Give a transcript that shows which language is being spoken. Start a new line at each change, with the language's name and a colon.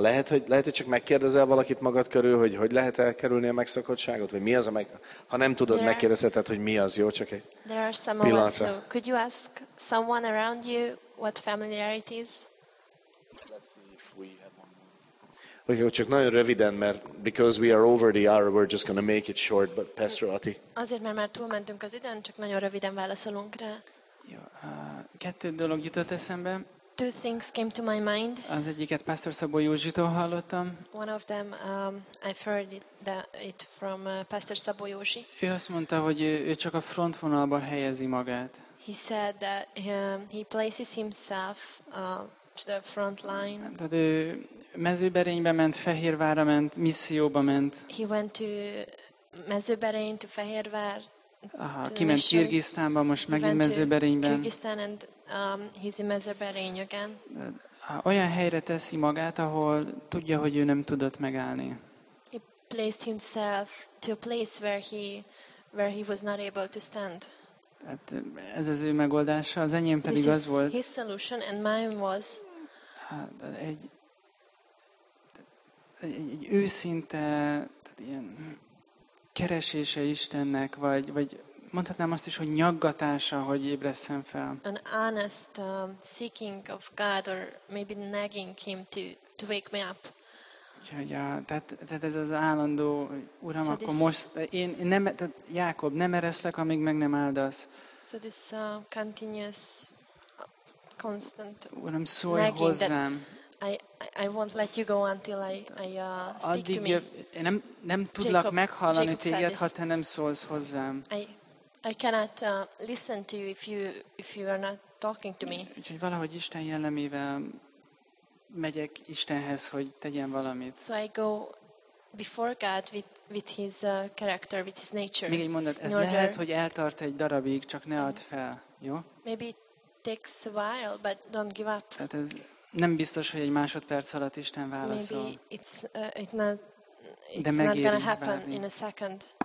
Hungarian: Lehet, hogy csak megkérdezel valakit magad körül, hogy lehet elkerülni a megszokottságot, vagy mi az a meg. Ha nem tudod, megkérdezheted, hogy mi az, jó, csak egy pillanatra.
English: So could you ask someone around you what familiarity is? Let's see if we have one more. Okay,
Hungarian: csak nagyon röviden, mert
English: because we are over the hour, we're just going to make it short, but Pastor Ati.
Hungarian: Azért, mert már túlmentünk az időn, csak nagyon röviden válaszolunk rá. Jó, kettő dolog jutott eszembe.
English: Two things came to my mind.
Hungarian: Az egyiket Pastor Szabó Józsitól hallottam.
English: One of them I've heard it from Pastor Szabó Józsi.
Hungarian: Ő azt mondta, hogy ő csak a frontvonalba helyezi magát.
English: He said that he places himself to the front line.
Hungarian: Tehát ő Mezőberénybe ment, Fehérvárra ment, misszióba ment.
English: He went to Mezőberény, to Fehérvár.
Hungarian: Aha, kiment Kirgisztánba, most megint Mezőberényben.
English: He's in Mezőberény again.
Hungarian: Olyan helyre teszi magát, ahol tudja, hogy ő nem tudott megállni.
English: He placed himself to a place where he was not able to stand.
Hungarian: Tehát ez az ő megoldása, az enyém pedig az volt.
English: His solution and mine was
Hungarian: egy őszinte, tehát ilyen keresése Istennek, vagy mondhatnám azt is, hogy nyaggatása, hogy ébresszem fel.
English: An honest seeking of God, or maybe nagging him to wake me up.
Hungarian: Tehát ez az állandó, Uram, so akkor this, most, én nem, tehát Jákob, nem ereszlek, amíg meg nem áldasz.
English: So this continuous, constant
Hungarian: Uram, szólj nagging hozzám.
English: I won't let you go until I speak
Hungarian: addig
English: to me.
Hungarian: Én nem tudlak meghallani téged, ha te nem szólsz hozzám.
English: I cannot listen to you if you are not talking to me.
Hungarian: Úgyhogy valahogy Isten jellemével megyek Istenhez, hogy tegyen valamit.
English: So I go before God with his character, with his nature.
Hungarian: Még egy mondat, ez lehet, hogy eltart egy darabig, csak ne add fel, jó?
English: Maybe it takes a while, but don't give up.
Hungarian: Tehát ez nem biztos, hogy egy másodperc alatt Isten válaszol.
English: Maybe it's not gonna happen in a second.